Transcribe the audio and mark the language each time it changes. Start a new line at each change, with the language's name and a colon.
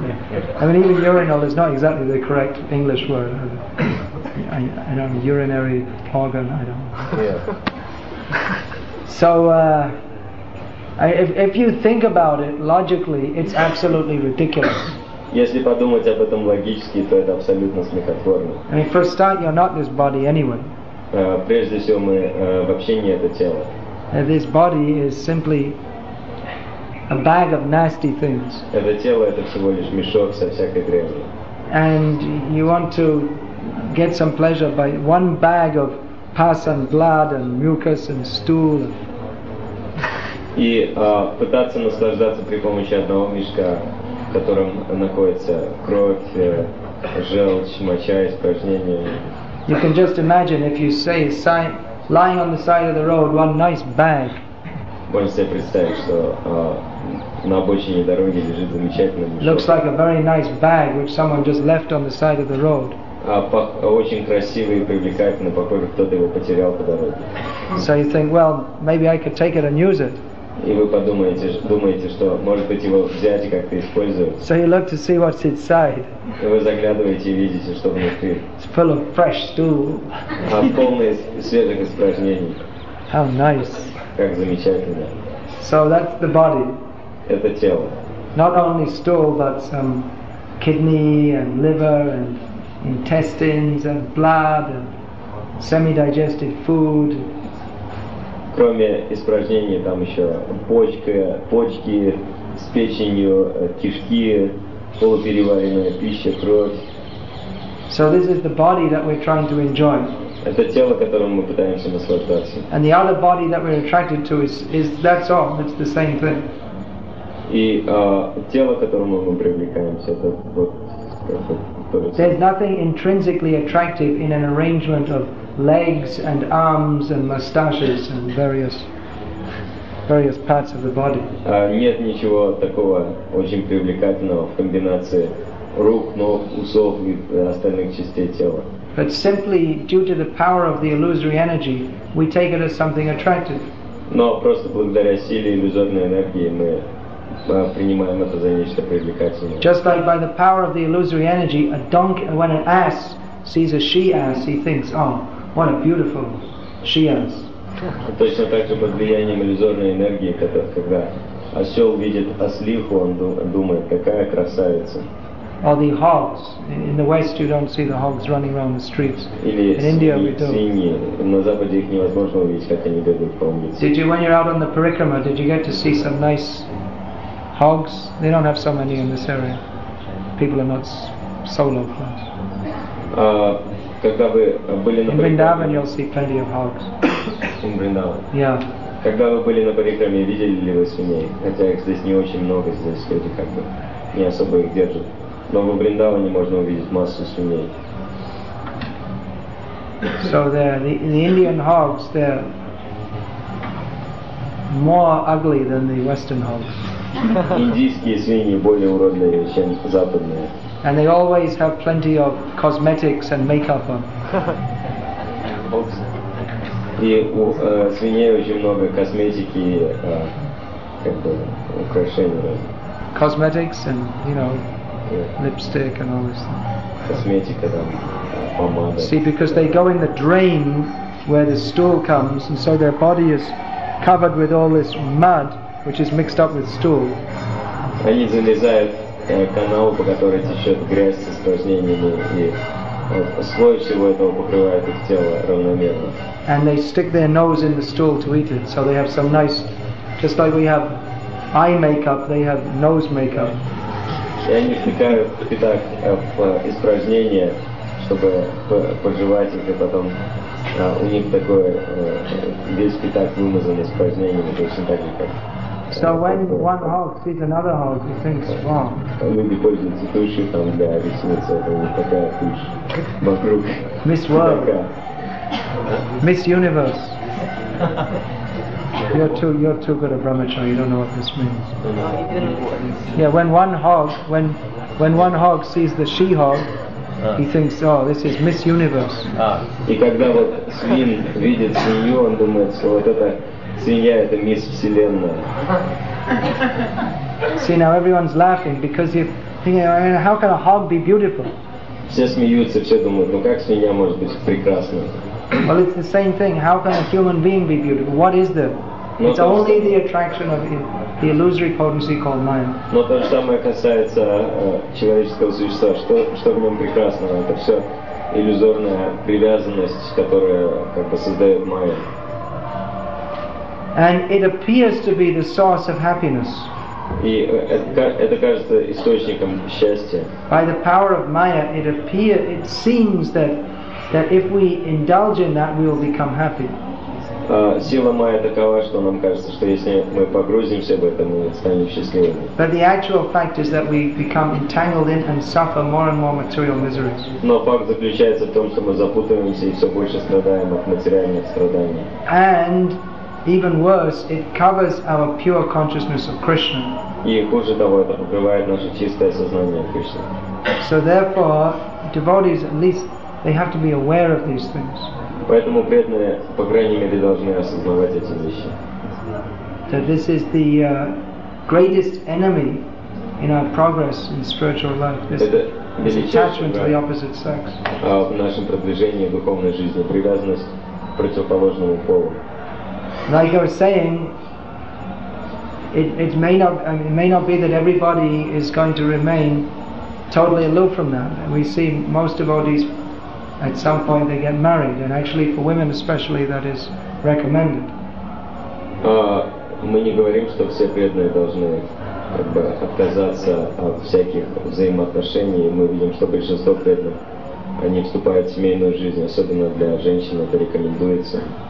English: Yeah. I mean, even urinal is not exactly the correct English word. I don't know, urinary organ. I don't. Yeah. So, if you think about it logically, it's absolutely ridiculous.
Russian: Если подумать об этом логически, то это абсолютно смехотворно.
English: I mean, for a start, you're not this body anyway.
Russian: Прежде всего, мы вообще не это тело.
English: And this body is simply a bag of nasty things.
Russian: Это тело — это всего лишь мешок со всякой дрянью.
English: And you want to get some pleasure by one bag of pus and blood and mucus and stool.
Russian: И пытаться наслаждаться при помощи одного мешка, в котором находится кровь, желчь, моча, испражнения.
English: You can just imagine if you say lying on the side of the road, one nice bag.
Russian: Можете себе представить, что на обочине дороги лежит замечательный мешок.
English: Looks like a very nice bag which someone just left on the side of the road.
Russian: Очень красивый и привлекательный, похоже, кто-то его потерял по дороге.
English: So you think, well, maybe I could take it and use it.
Russian: И вы думаете, что может быть его взять и как-то использовать.
English: So you look to see what's inside.
Russian: И вы заглядываете и видите, что внутри.
English: It's full of fresh stool.
Russian: А полный свежих испражнений.
English: How nice.
Russian: Как замечательно.
English: So that's the body.
Russian: Это тело.
English: Not only stool, but some kidney and liver and intestines and blood and semi-digested food.
Russian: Кроме испражнений, там еще почки с печенью, кишки, полупереваренная пища, кровь.
English: So this is the body that we're trying to enjoy.
Russian: Это тело, которым мы пытаемся наслаждаться.
English: And the other body that we're attracted to is that's all. It's the same thing.
Russian: И тело, которому мы привлекаемся, это вот.
English: There's nothing intrinsically attractive in an arrangement of legs and arms and mustaches and various parts of the body.
Russian: Нет ничего такого очень привлекательного в комбинации рук, ног, усов и остальных частей тела.
English: But simply due to the power of the illusory energy, we take it as something attractive.
Russian: Но просто благодаря силе иллюзорной энергии мы принимаем это за нечто привлекательное.
English: Just like by the power of the illusory energy, a donkey, when an ass sees a she-ass, he thinks, oh, what a beautiful she-ass.
Russian: Точно так же под влиянием иллюзорной энергии, когда осел видит ослиху, он думает, какая красавица.
English: Or the hogs. In the West, you don't see the hogs running around the streets. In India, we do.
Russian: На Западе их невозможно увидеть, как они бегают по улице.
English: Did you, when you're out on the parikrama, did you get to see some nice hogs? They don't have so many in this area. People are not solo class.
Russian: Когда вы были на
English: парикраме, in Vrindavan, you'll see plenty of hogs. In Vrindavan. Yeah.
Russian: Когда вы были на парикраме, видели ли вы свиней? Хотя их здесь не очень много, здесь люди как бы не особо их держат. Но в Вриндаване можно увидеть массу свиней.
English: So the Indian hogs, they're more ugly than the Western hogs.
Russian: Индийские свиньи более уродливые, чем западные.
English: And they always have plenty of cosmetics and makeup on. Hobbes.
Russian: И свиней очень много косметики, как бы украшений.
English: Cosmetics and, you know, lipstick and all this stuff.
Russian: Косметика там, помада.
English: See, because they go in the drain where the stool comes, and so their body is covered with all this mud, which is mixed up with stool.
Russian: Они залезают в канал, по которой течет грязь с испражнениями, и слой всего этого покрывает их тело равномерно.
English: And they stick their nose in the stool to eat it, so they have some nice, just like we have eye makeup, they have nose makeup.
Russian: И они втыкают пятак в испражнения, чтобы пожевать их, и потом у них такое, весь пятак вымазан испражнениями, точно так же, как...
English: So when one hog sees another hog, he thinks, wow.
Russian: Люди пользуются тушью, там, для ресницы, это не такая тушь вокруг.
English: Miss World. Miss Universe. You're too good a brahmacharya, you don't know what this means. Yeah, when one hog sees the she hog, he thinks, oh, this is Miss Universe.
Russian: И когда вот свин видит свинью, он думает, что вот это свинья, это мисс Вселенная.
English: See, now everyone's laughing because you're thinking, I mean, how can a hog be beautiful?
Russian: Все смеются, все думают, ну как свинья может быть прекрасна?
English: Well, it's the same thing. How can a human being be beautiful? What is there?
Russian: Но
English: it's only the attraction of the illusory potency called mind.
Russian: Но то же самое касается человеческого существа. Что в нем прекрасного? Это все иллюзорная привязанность, которая как бы создает майя.
English: And it appears to be the source of happiness.
Russian: И это кажется источником счастья.
English: By the power of Maya, it seems that if we indulge in that, we will become happy.
Russian: Сила Майя такова, что нам кажется, что если мы погрузимся в это, мы станем счастливыми.
English: But the actual fact is that we become entangled in and suffer more and more material miseries.
Russian: Но факт заключается в том, что мы запутываемся и все больше страдаем от материальных страданий.
English: And even worse, it covers our pure consciousness of Krishna.
Russian: И хуже того, это покрывает наше чистое сознание Кришны.
English: So therefore, devotees at least they have to be aware of these things.
Russian: Поэтому преданные, по крайней мере, должны осознавать эти вещи.
English: That this is the greatest enemy in our progress in spiritual life. This attachment to the opposite sex.
Russian: В нашем продвижении в духовной жизни привязанность к противоположному полу.
English: Like I was saying, it may not be that everybody is going to remain totally aloof from that. We see most devotees at some point they get married, and actually for women especially that is recommended.
Russian: Мы не говорим, что все преданные должны как бы отказаться от всяких взаимоотношений. Мы видим, что большинство преданных они вступают в семейную жизнь, особенно для женщин это рекомендуется.